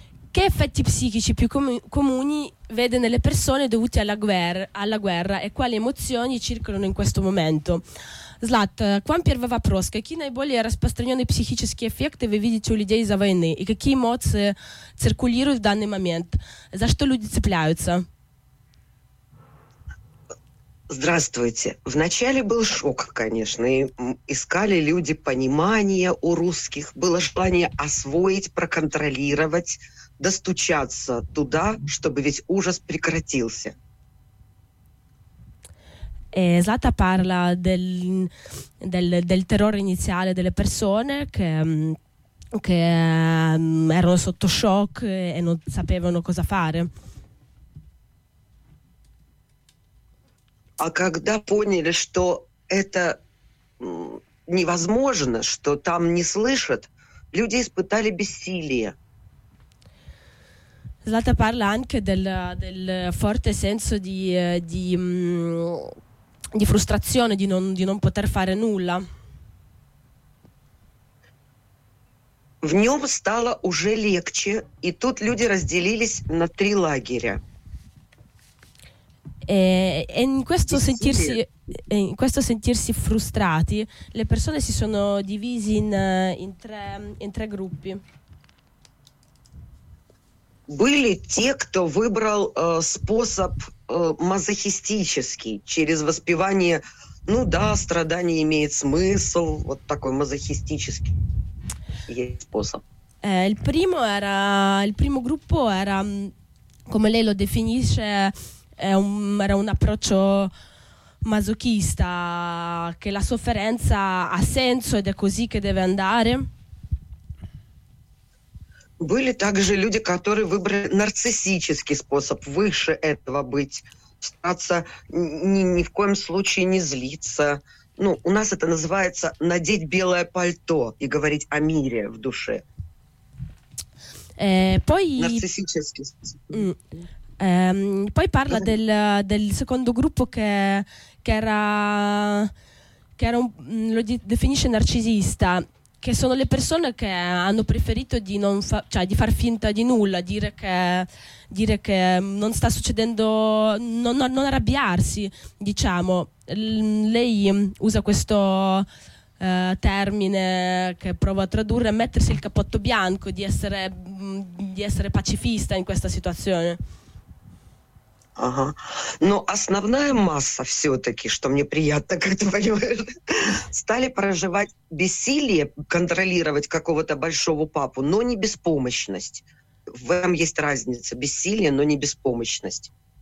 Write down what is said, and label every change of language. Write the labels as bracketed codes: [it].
[it] Che effetti psichici più comuni vede nelle persone dovuti alla guerra e quali emozioni circolano in questo momento? [ru] Zlat, к вам первый вопрос. Какие наиболее распространенные психические эффекты вы видите у людей из-за войны? И какие эмоции циркулируют в данный момент? За что люди цепляются? Здравствуйте. Вначале был шок, конечно. И искали люди понимания у русских. Было желание освоить, проконтролировать, достучаться туда, чтобы весь ужас прекратился. [it] Zlata parla del terrore iniziale delle persone che erano sotto shock e non sapevano cosa fare. [ru] А когда поняли, что это невозможно, что там не слышат, люди испытали бессилие. [it] Zlata parla anche del forte senso di frustrazione di non poter fare nulla. [ru] В нём стало уже легче, и тут люди разделились на три лагеря. [it] In questo sentirsi frustrati, le persone si sono divise in tre gruppi. [ru] Были те, кто выбрал способ мазохистический, через воспевание, ну да, страдание имеет смысл, вот такой мазохистический способ. Il primo gruppo era, come lei lo definisce, era un approccio masochista, che la sofferenza ha senso ed è così che deve andare. Были также люди, которые выбрали нарциссический способ выше этого быть, стараться ни в коем случае не злиться. Ну, у нас это называется надеть белое пальто и говорить о мире в душе. Нарциссический способ. [it] Poi parla del secondo gruppo che definisce narcisista. Che sono le persone che hanno preferito di far finta di nulla, dire che non sta succedendo, non arrabbiarsi, diciamo. Lei usa questo termine che provo a tradurre, mettersi il cappotto bianco, di essere pacifista in questa situazione. Ага. [ru] Но основная масса все-таки, что мне приятно, как ты понимаешь, стали проживать бессилие контролировать какого-то большого папу, но не беспомощность. В этом есть разница. Бессилие, но не беспомощность.